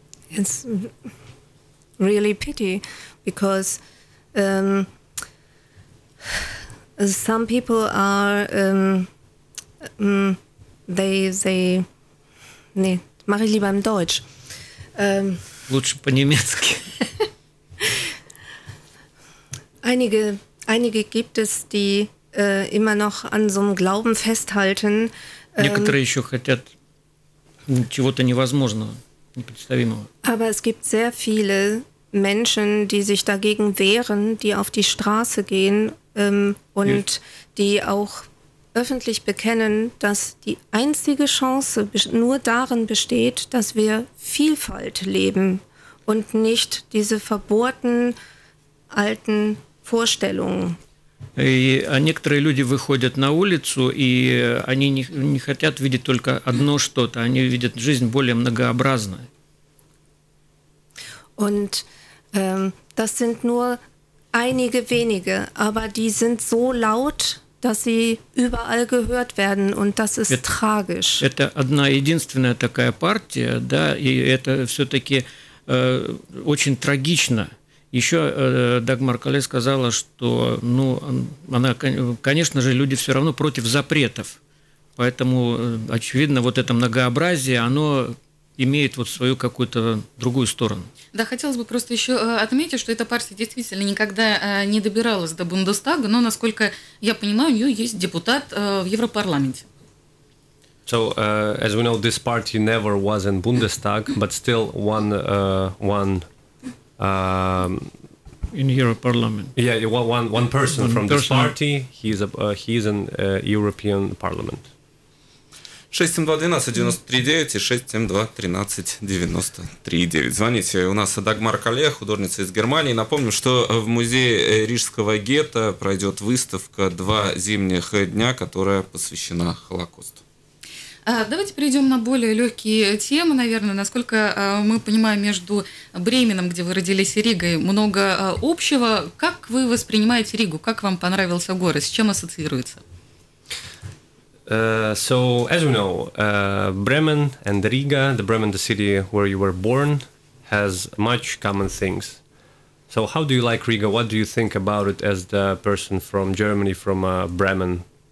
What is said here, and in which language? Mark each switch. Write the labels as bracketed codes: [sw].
[en] It's really pity, because some people are they [de] nee, mache ich lieber im Deutsch. [ru] Лучше по-немецки. [de] Einige gibt es, die immer noch an so einem Glauben festhalten. [ru] Некоторые еще хотят чего-то невозможного, непредставимого. [de] Aber es gibt sehr viele Menschen, die sich dagegen wehren, die auf die Straße gehen und die auch öffentlich bekennen, dass die einzige Chance nur darin besteht, dass wir Vielfalt leben und nicht diese verbohrten alten Vorstellungen. [ru] А некоторые люди выходят на улицу, и они не хотят видеть только одно что-то, они видят жизнь более многообразной. [de] Und das sind nur einige wenige, aber die sind so laut, dass sie überall gehört werden, und das ist tragisch. [ru] Это одна единственная такая партия, да, и это все-таки очень трагично. Еще Дагмар Калайс сказала, что, ну, она, конечно же, люди все равно против запретов. Поэтому, очевидно, вот это многообразие, оно имеет вот свою какую-то другую сторону. Да, хотелось бы просто еще отметить, что эта партия действительно никогда не добиралась до Бундестага, но, насколько я понимаю, у нее есть депутат в Европарламенте. [en] So, as we know, this party never was in Bundestag, but still one in Europe Parliament. Yeah, one person from this party. He's in European Parliament. [ru] 672-12-93-9 и 672-13-93-9. Звоните, у нас Дагмар Калайс, художница из Германии. Напомню, что в музее Рижского гетто пройдет выставка «Два зимних дня», которая посвящена Холокосту. Давайте перейдем на более легкие темы, наверное. Насколько мы понимаем, между Бременом, где вы родились, и Ригой много общего. Как вы воспринимаете Ригу? Как вам понравился город? С чем ассоциируется? [en] So, as you know, Bremen and Riga, the Bremen, the city where you were born, has much common things. So, how do you like Riga? What do you think about it as the person from Germany, from Bremen?